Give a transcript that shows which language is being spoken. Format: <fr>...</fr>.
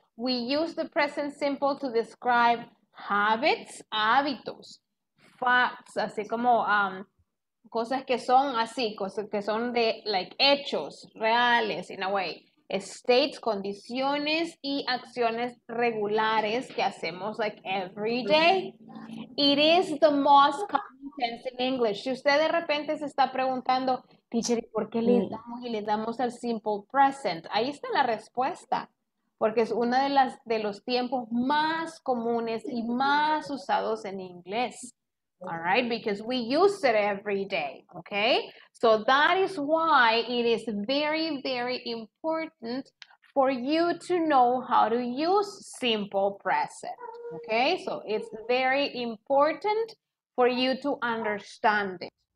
<en>We use the present simple to describe habits, hábitos, facts,</en> <es>así como cosas que son de</es> <en>like hechos reales in a way, states,</en> <es>condiciones y acciones regulares que hacemos</es> <en>like every day. It is the most common tense in English.</en> <es>Si usted de repente se está preguntando, teacher, ¿y por qué le damos al simple present? Ahí está la respuesta, porque es uno de los tiempos más comunes y más usados en inglés.</es> <en>All right, because we use it every day, okay? So that is why it is very, very important for you to know how to use simple present, okay? So it's very important for you to understand it.</en>